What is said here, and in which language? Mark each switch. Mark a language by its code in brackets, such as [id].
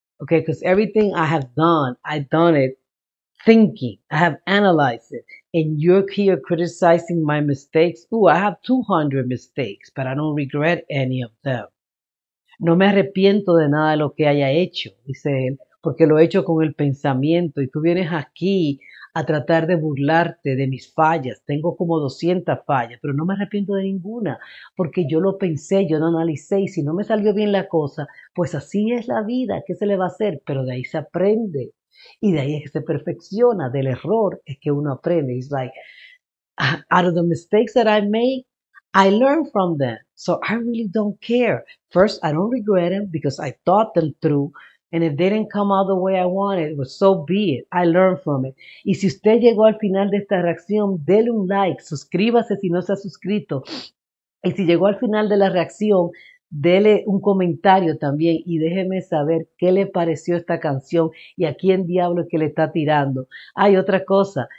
[en] Okay, because everything I have done, I've done it thinking. I have analyzed it. And you're here criticizing my mistakes. Ooh, I have 200 mistakes, but I don't regret any of them. [es] No me arrepiento de nada de lo que haya hecho, dice él, porque lo he hecho con el pensamiento. Y tú vienes aquí a tratar de burlarte de mis fallas. Tengo como 200 fallas, pero no me arrepiento de ninguna, porque yo lo pensé, yo lo analicé, y si no me salió bien la cosa, pues así es la vida, ¿qué se le va a hacer? Pero de ahí se aprende, y de ahí es que se perfecciona, del error es que uno aprende. [en] It's like, out of the mistakes that I make, I learn from them, so I really don't care. First, I don't regret them, because I thought them through. And if they didn't come out the way I wanted, it was so be it. I learned from it. [es] Y si usted llegó al final de esta reacción, dele un like. Suscríbase si no se ha suscrito. Y si llegó al final de la reacción, dele un comentario también. Y déjeme saber qué le pareció esta canción y a quién diablo es que le está tirando. Hay otra cosa.